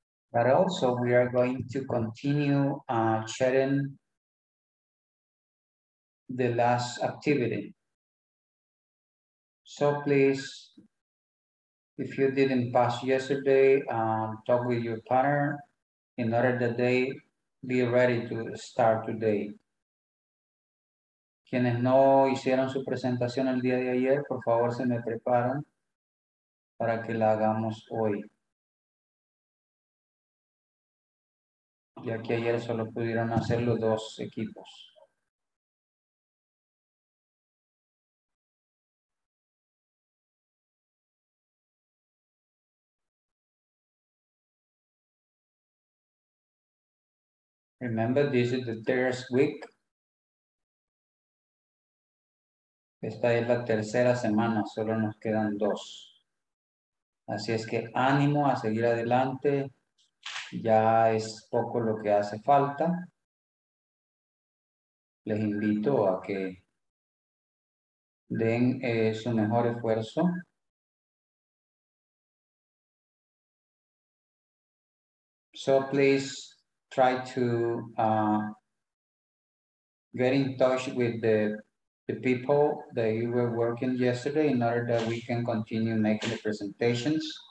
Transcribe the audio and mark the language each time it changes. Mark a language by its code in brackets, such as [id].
[en] But also we are going to continue sharing the last activity. So please If you didn't pass yesterday, talk with your partner in order that they be ready to start today. [es] Quienes no hicieron su presentación el día de ayer, por favor se me preparan para que la hagamos hoy. Ya que ayer solo pudieron hacer los dos equipos. [en] Remember, this is the third week. [es] Esta es la tercera semana, solo nos quedan dos. Así es que ánimo a seguir adelante. Ya es poco lo que hace falta. Les invito a que den su mejor esfuerzo. [en] So please try to get in touch with the people that you were working yesterday in order that we can continue making the presentations.